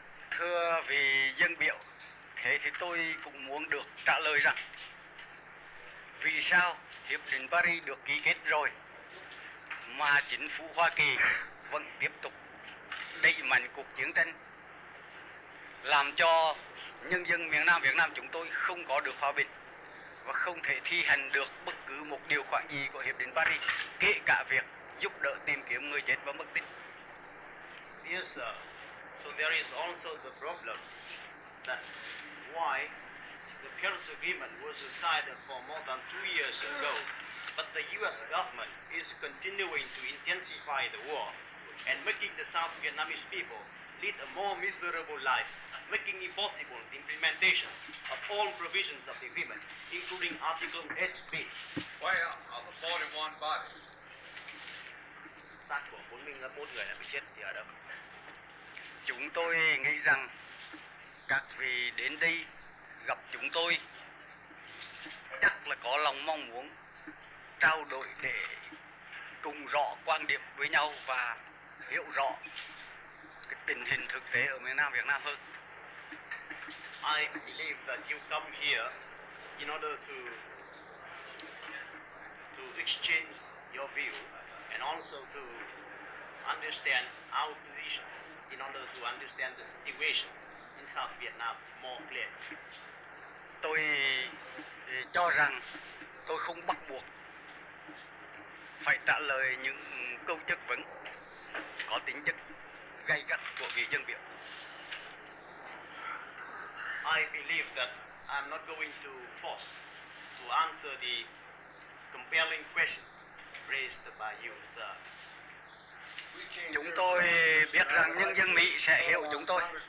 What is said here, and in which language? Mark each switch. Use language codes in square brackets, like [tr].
[vi] Thưa vị dân biểu, thế thì tôi cũng muốn được trả lời rằng vì sao Hiệp định Paris được ký kết rồi mà chính phủ Hoa Kỳ vẫn tiếp tục đẩy mạnh cuộc chiến tranh làm cho nhân dân miền Nam Việt Nam chúng tôi không có được hòa bình và không thể thi hành được bất cứ một điều khoản gì của Hiệp định Paris, kể cả việc giúp đỡ tìm kiếm người chết và mất tích. [en] Yes, sir. So there is also the problem that why the Paris Agreement was signed for more than 2 years ago, but the U.S. government is continuing to intensify the war and making the South Vietnamese people lead a more miserable life, making impossible the implementation of all provisions of the agreement, including Article 8B. Why are the 41 bodies? [vi] Sát của 41 người đã bị chết thì ở đâu? Chúng tôi nghĩ rằng các vị đến đây gặp chúng tôi chắc là có lòng mong muốn trao đổi để cùng rõ quan điểm với nhau và hiểu rõ cái tình hình thực tế ở miền Nam Việt Nam hơn. [en] I believe that you come here in order to exchange your view and also to understand our position in order to understand the situation in South Vietnam more clearly. [vi] Tôi cho rằng tôi không bắt buộc phải trả lời những câu chất vấn có tính chất gay gắt của vị dân biểu. [en] I believe that I'm not going to force to answer the compelling question raised by you, sir. [vi] Chúng tôi biết rằng nhân dân Mỹ sẽ hiểu chúng tôi.